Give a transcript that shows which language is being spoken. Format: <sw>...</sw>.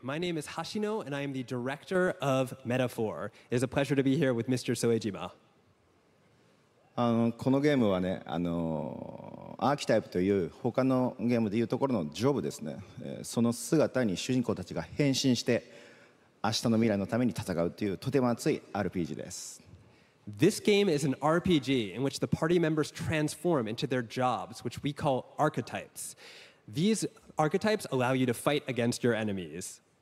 <en>My name is Hashino, and I am the director of Metaphor. It is a pleasure to be here with Mr. Soejima.</en> <ja>このゲームはね、アーキタイプという他のゲームで言うところのジョブですね。その姿に主人公たちが変身して明日の未来のために戦うというとても熱いRPGです。</ja> <en>This game is an RPG in which the party members transform into their jobs, which we call archetypes. These archetypes allow you to fight against your enemies.</en>